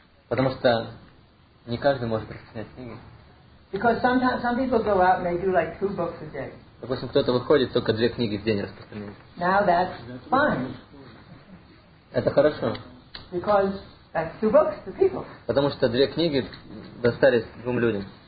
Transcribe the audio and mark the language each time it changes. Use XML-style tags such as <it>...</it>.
<ru>Потому что не каждый может распространять книги.</ru> <en>Because sometimes some people go out and they do like two books a day.</en> <ru>Допустим, кто-то выходит, только две книги в день распространяет.</ru> <en>Now that's fine.</en> <ru>Это хорошо.</ru> <en>Because that's two books to people.</en> <ru>Потому что две книги достались двум людям.</ru>